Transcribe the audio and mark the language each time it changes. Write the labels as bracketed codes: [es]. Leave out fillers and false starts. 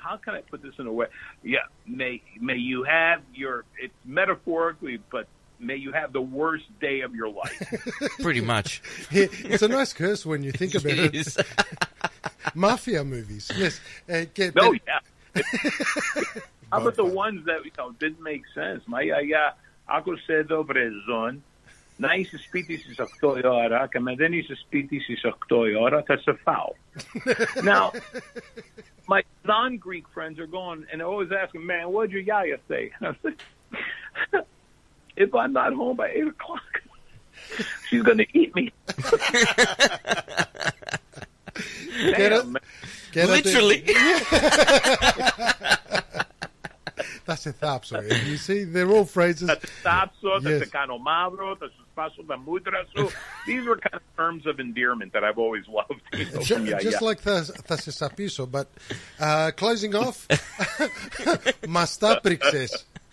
[en] How can I put this in a way? Yeah, may you have your, it's metaphorically, but may you have the worst day of your life. Pretty much. It's a nice curse when you think about it. Mafia movies. Yes. Oh, yeah. How about the ones that, you know, didn't make sense? My, yeah. [el] Άκου σε εδώ βρεζόν, να είσαι σπίτι στις 8 η ώρα και με δεν είσαι σπίτι στις 8 η ώρα θα σε φάω. [en] Now, my non-Greek friends are going and they're always asking, man, what did your yaya say? And I'm like, if I'm not home by 8 o'clock, she's going to eat me. Damn, literally. [el] Θα σε θάψω. [en] You see, they're all phrases. [el] Θα σε θάψω, θα σε κάνω μαύρο, θα σου σπάσω τα μούτρα σου. [en] These were kind of terms of endearment that I've always loved. You know, just like [el] θα σε σαπίσω, [en] but closing off, [el] μας τα πρίξες.